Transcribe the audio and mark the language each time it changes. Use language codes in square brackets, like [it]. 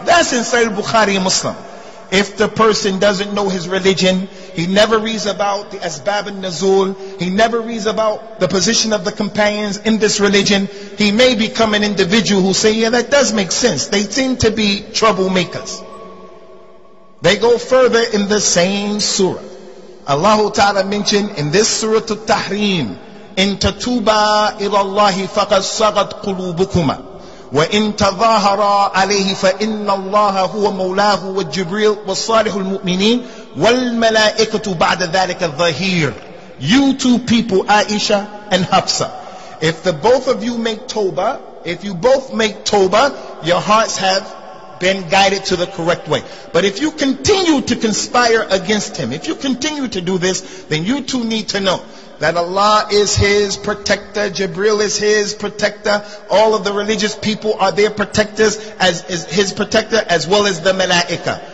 [en] That's in Sahih al-Bukhari, a Muslim. If the person doesn't know his religion, he never reads about the Asbab al-Nuzul, he never reads about the position of the companions in this religion, he may become an individual who say, yeah, that does make sense. They seem to be troublemakers. They go further in the same surah. Allah Ta'ala mentioned in this surah to Tahrim, [ar] إِن تَتُوبَا إِلَى اللَّهِ فَقَدْ صَغَتْ قُلُوبُكُمَا وَإِنْ تَظَاهَرَا عَلَيْهِ فَإِنَّ اللَّهَ هُوَ مَوْلَاهُ وَالْجِبْرِيلُ وَالصَّالِحُ الْمُؤْمِنِينَ وَالْمَلَائِكَةُ بَعْدَ ذَلِكَ الظَّهِيرُ. [en] You two people, Aisha and Hafsa, if the both of you make tawbah, if you both make tawbah, your hearts have been guided to the correct way. But if you continue to conspire against him, if you continue to do this, then you two need to know that Allah is his protector, Jibril is his protector, all of the religious people are their protectors, as is his protector, as well as the malaika.